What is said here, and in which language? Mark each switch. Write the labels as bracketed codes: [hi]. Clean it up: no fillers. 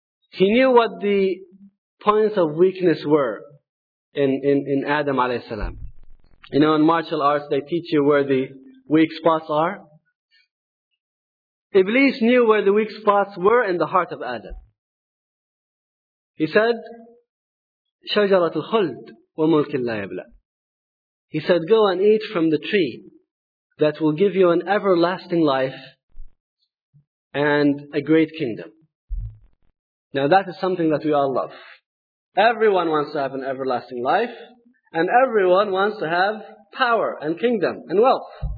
[en] He knew what the points of weakness were in Adam alayhi salam. You know, in martial arts, they teach you where the weak spots are. Iblis knew where the weak spots were in the heart of Adam. He said, [ar] شَجَرَةُ الْخُلْدِ وَمُلْكِ اللَّا يَبْلَى. [en] He said, go and eat from the tree that will give you an everlasting life and a great kingdom. Now that is something that we all love. Everyone wants to have an everlasting life, and everyone wants to have power and kingdom and wealth.